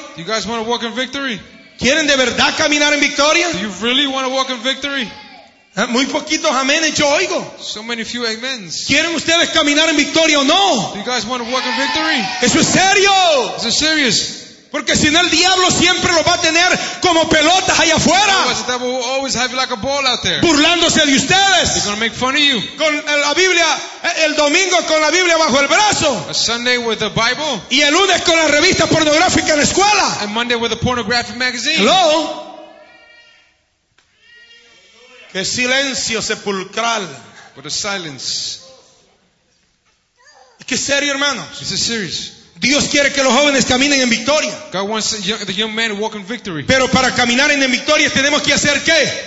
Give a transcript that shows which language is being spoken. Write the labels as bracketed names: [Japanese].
[English] Do you guys want to walk in victory? [Spanish] ¿Quieren de verdad caminar en victoria? [English] Do you really want to walk in victory? [Spanish] Muy poquitos amenes yo oigo. [English] So many few amens. [Spanish] ¿Quieren ustedes caminar en victoria o no? [English] Do you guys want to walk in victory? [Spanish] ¡Eso es serio! [English] Is it serious? [Spanish] Porque si no, el diablo siempre lo va a tener como pelotas allá afuera. [English] The devil will always have you like a ball out there. [Spanish] Burlándose de ustedes. [English] They're gonna make fun of you. [Spanish] Con la Biblia, el domingo con la Biblia bajo el brazo. [English] A Sunday with the Bible. [Spanish] Y el lunes con la revista pornográfica en la escuela. [English] And Monday with a pornographic magazine. Hello. [Spanish] Qué silencio sepulcral. [English] What a silence. [Spanish] Qué serio, hermanos. [English] This is serious. [Spanish] Dios quiere que los jóvenes caminen en victoria. [English] God wants the young man to walk in victory. [Spanish] Pero para caminar en victoria tenemos que hacer ¿qué?